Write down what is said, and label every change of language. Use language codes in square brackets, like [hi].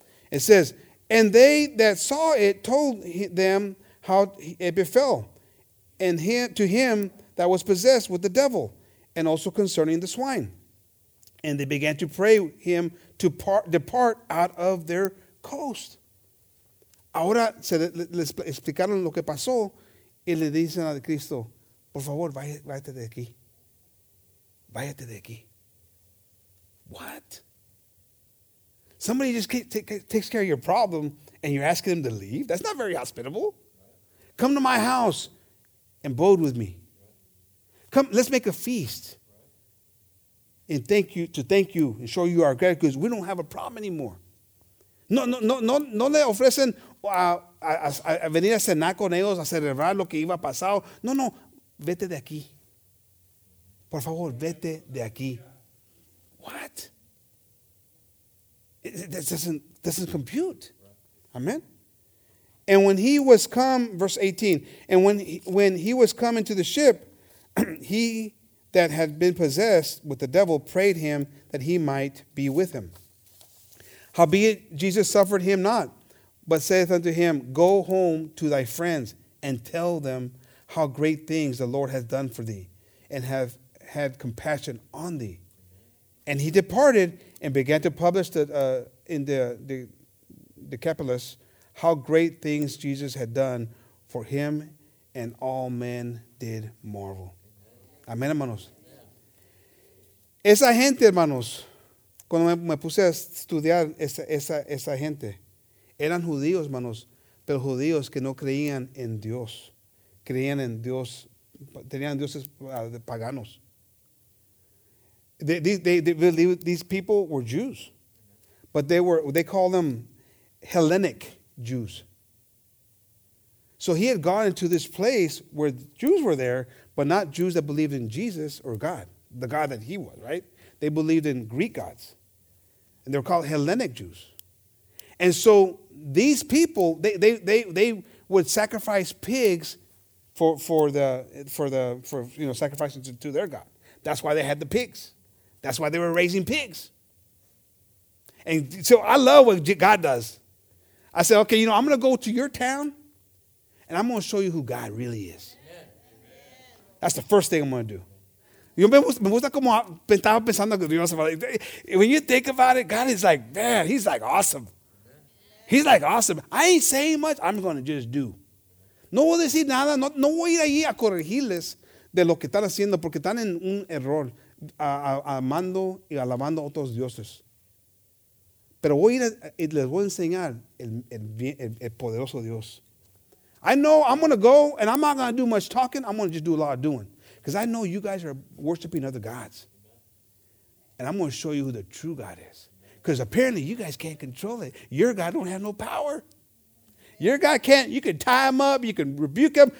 [en] It says, and they that saw it told them how it befell. And to him that was possessed with the devil, and also concerning the swine. And they began to pray him to depart out of their coast. [es] Ahora se les explicaron lo que pasó, y le dicen a Cristo, por favor, váyate de aquí. Váyate de aquí. [en] What? Somebody just takes care of your problem, and you're asking them to leave? That's not very hospitable. Come to my house and abode with me. Come, let's make a feast and thank you and show you our gratitude because we don't have a problem anymore. [es] No le ofrecen a venir a cenar con ellos, a celebrar lo que iba a pasar. No, vete de aquí. Por favor, vete de aquí. [en] What? This doesn't compute. Amen. And when he was come, verse 18, and when he was come into the ship, he that had been possessed with the devil prayed him that he might be with him. Howbeit, Jesus suffered him not, but saith unto him, go home to thy friends and tell them how great things the Lord hath done for thee and have had compassion on thee. And he departed and began to publish in the Decapolis how great things Jesus had done for him, and all men did marvel. [es] Amén, hermanos. Esa gente, hermanos, cuando me puse a estudiar esa gente, eran judíos, hermanos, pero judíos que no creían en Dios. Creían en Dios, tenían dioses paganos. [en] These people were Jews, but they called them Hellenic Jews. So he had gone into this place where Jews were there, but not Jews that believed in Jesus or God, the God that he was, right? They believed in Greek gods. And they were called Hellenic Jews. And so these people, they would sacrifice pigs for sacrificing to their God. That's why they had the pigs. That's why they were raising pigs. And so I love what God does. I said, okay, you know, I'm going to go to your town, and I'm going to show you who God really is. Amen. That's the first thing I'm going to do. [es] Yo me gusta como estaba pensando que Dios. [en] When you think about it, God is like, man, he's like awesome. He's like awesome. I ain't saying much. I'm going to just do. [es] No voy a decir nada. No voy a ir allí a corregirles de lo que están haciendo porque están en un error amando y alabando a otros dioses. Pero voy a ir y les voy a enseñar el poderoso Dios. [en] I know I'm going to go and I'm not going to do much talking. I'm going to just do a lot of doing. Because I know you guys are worshiping other gods. And I'm going to show you who the true God is. Because apparently you guys can't control it. Your God don't have no power. Your God can't. You can tie him up. You can rebuke him.